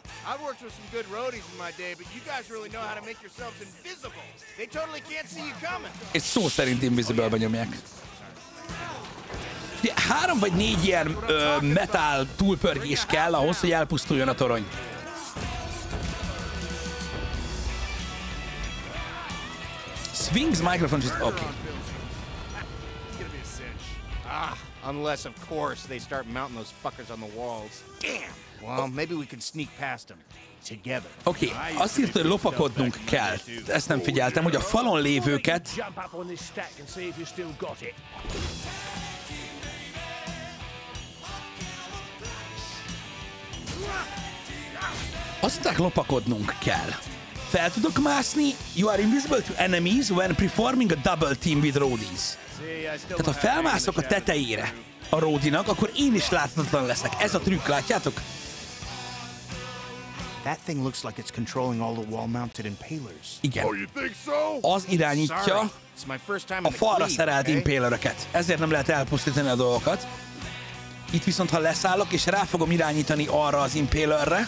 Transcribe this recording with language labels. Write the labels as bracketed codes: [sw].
[en] I've worked with some good roadies in my day, but you guys really know how to make yourselves invisible. They totally can't see you coming. [hu] És szó szerint invisible-ben nyomják. De három vagy négy ilyen metal túlpörgés kell ahhoz, hogy elpusztuljon a torony. [en] Swings microphone just okay. Unless of course they start mounting those fuckers on the walls. Damn. Well, maybe we can sneak past them together. [hu] Okay, azt írta, hogy lopakodnunk kell. Ezt nem figyeltem, hogy a falon lévőket. [en] Jump up on this stack and see if you still got it. [hu] Azt írták, lopakodnunk kell. Fel tudok mászni? [en] You are invisible to enemies when performing a double team with roadies. [hu] Tehát ha felmászok a tetejére a roadinak, akkor én is láthatatlan leszek. Ez a trükk, látjátok? [en] That thing looks like it's controlling all the wall-mounted impalers. [hu] Igen. [en] Oh, you think so? [hu] Az irányítja a falra szerelt impalereket. Ezért nem lehet elpusztítani a dolgokat. Itt viszont, ha leszállok, és rá fogom irányítani arra az impalerre.